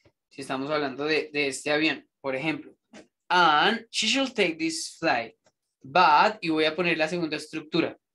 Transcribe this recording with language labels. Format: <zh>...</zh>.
<es>Si estamos hablando de este avión, por ejemplo.</es> <en>And she should take this fly.</en> <es>But, y voy a poner la segunda estructura.</es>